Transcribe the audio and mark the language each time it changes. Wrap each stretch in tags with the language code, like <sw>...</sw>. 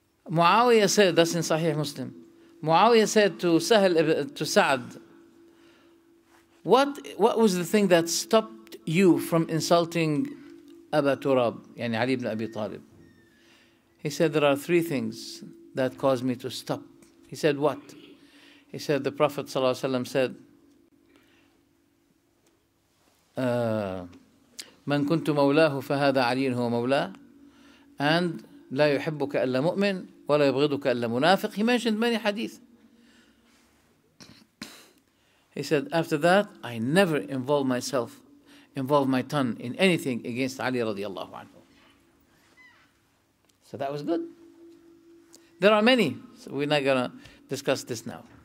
<en>Muawiyah said, that's in Sahih Muslim. Muawiyah said to Sahel, to Sa'd, what was the thing that stopped you from insulting Aba Turab, yani Ali ibn Abi Talib? He said, there are three things that caused me to stop. He said, what? He said, the Prophet sallallahu alaihi wasallam said,</en> <ar>من كنت مولاه فهذا علي هو مولاه and لا يحبك إلا مؤمن ولا يبغضك إلا منافق.</ar> <en>He mentioned many hadith. He said, after that, I never involve my tongue in anything against Ali radiallahu anhu. So that was good. There are many, so we're not going to discuss this now.</en>